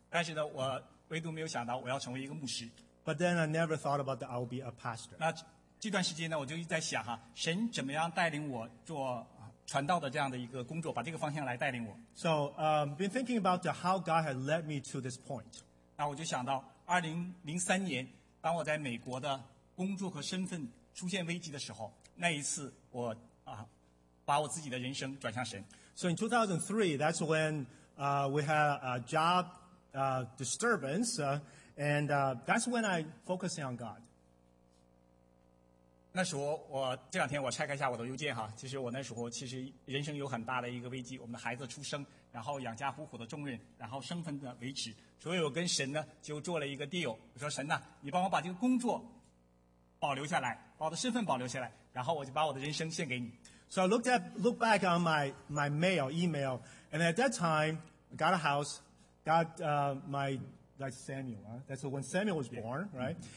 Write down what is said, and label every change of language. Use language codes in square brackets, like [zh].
[zh] 但是呢，我唯独没有想到我要成为一个牧师。 [en] But then I never thought about that I will be a pastor. 那 [zh] 这段时间呢，我就一直在想哈，神怎么样带领我做传道的这样的一个工作，把这个方向来带领我。 [en] So, been thinking about how God had led me to this point. [zh] 那我就想到2003年，当我在美国的工作和身份出现危机的时候，那一次我把我自己的人生转向神。 [en] So in 2003, that's when we had a job disturbance, and that's when I focusing on God. [zh] 那时候我这两天我拆开一下我的邮件哈，其实我那时候其实人生有很大的一个危机，我们的孩子出生，然后养家糊口的重任，然后身份的维持，所以我跟神呢就做了一个 deal， 我说神呐、啊，你帮我把这个工作保留下来，把我的身份保留下来，然后我就把我的人生献给你。 [en] So I looked back on my mail, email, and at that time, I got a house, got like Samuel, that's when Samuel was born, right?